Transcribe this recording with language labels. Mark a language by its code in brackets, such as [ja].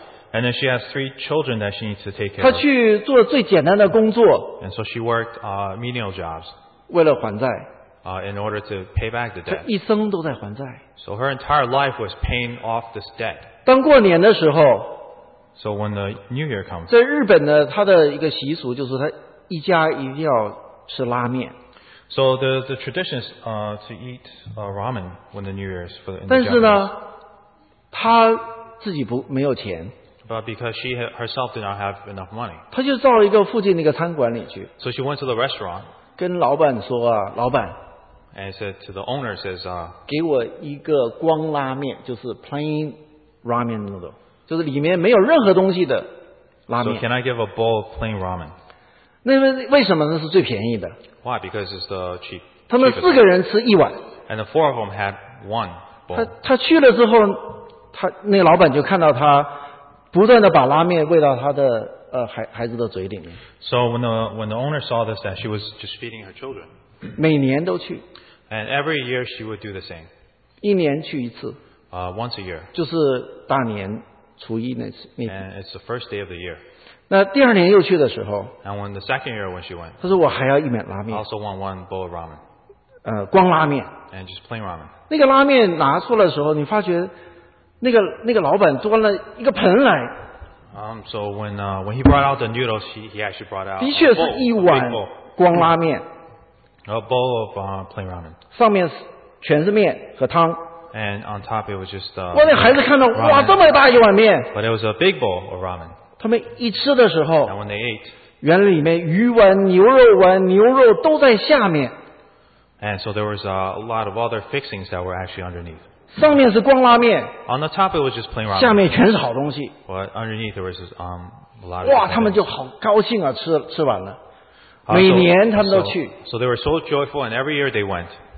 [en] And then she has three children that she needs to take care of. [zh] 她去做最简单的工作, [en] and so she worked menial jobs. [zh] 为了还债, [en] in order to pay back the debt. [zh] 她一生都在还债, [en] so her entire life was paying off this debt. [zh] 当过年的时候, [en] so when the new year comes, [zh] 在日本呢, 她的一个习俗就是她一家一定要吃拉面。 [en] So the tradition is to eat ramen when the New Year's for the [zh] Japanese. 但是呢, 她自己没有钱, [en] but because she herself did not have enough money. [zh] 她就到一个附近那个餐馆里去, [en] so she went to the restaurant. [zh] 跟老板说啊, 老板, [en] and said to the owner, says, [zh] 给我一个光拉面, 就是 [en] plain ramen noodle, [zh] 就是里面没有任何东西的拉面。 [en] So can I give a bowl of plain ramen? [zh] 那为什么呢是最便宜的? [en] Why? Because it's the cheap. [zh] 他们四个人吃一碗, [en] and the four of them had one bowl. [zh] 他去了之后，他那老板就看到他不断的把拉面喂到他的孩子的嘴里面。 [en] So when the owner saw this, that she was just feeding her children. [zh] 每年都去, [en] and every year she would do the same. [zh] 一年去一次, [en] once a year. [zh] 就是大年初一那次, [en] and it's the first day of the year. [zh] 那第二年又去的时候, [en] and when the second year when she went, [zh] 她说我还要一碗拉面, [en] also want one bowl of ramen, [zh] 光拉面, [en] and just plain ramen. [zh] 那个拉面拿出来的时候, 你发觉那个老板端了一个盆来, [en] so when he brought out the noodles, he actually brought out a bowl, [zh] 的确是一碗光拉面, [en] a bowl of plain ramen, [zh] 上面全是面和汤, [en] and on top it was just [zh] 哇那孩子看到, [en] ramen, [zh] 哇这么大一碗面, [en] but it was a big bowl of ramen. [zh] 他们一吃的时候, [en] and when they ate, [zh] 原来里面鱼丸、牛肉丸、牛肉都在下面, [en] and so there was a lot of other fixings that were actually underneath. [zh] 上面是光拉面, [en] on the top it was just plain ramen. [zh] 下面全是好东西, [en] but underneath there was a lot of, [zh] 哇他们就好高兴啊, 吃完了, 每年他们都去, [en] so they were so joyful, and every year they went.